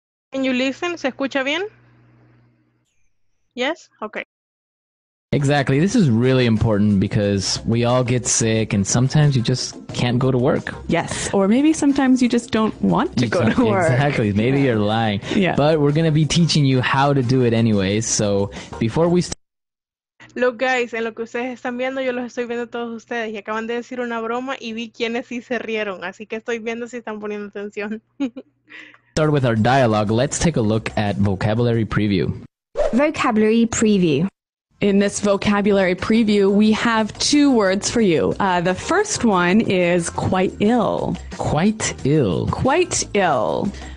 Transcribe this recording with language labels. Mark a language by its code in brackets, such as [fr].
[en] Can you listen? [es] ¿Se escucha bien? [en] Yes? Okay. Exactly. This is really important because we all get sick and sometimes you just can't go to work. Yes. Or maybe sometimes you just don't want to go to work. Exactly. Maybe yeah. You're lying. Yeah. But we're going to be teaching you how to do it anyways. So before we start. Look, guys, [es] en lo que ustedes están viendo, yo los estoy viendo todos ustedes. Y acaban de decir una broma y vi quienes sí se rieron. Así que estoy viendo si están poniendo atención. [en] Start with our dialogue. Let's take a look at vocabulary preview. Vocabulary preview. In this vocabulary preview, we have two words for you. The first one is quite ill. Quite ill. Quite ill.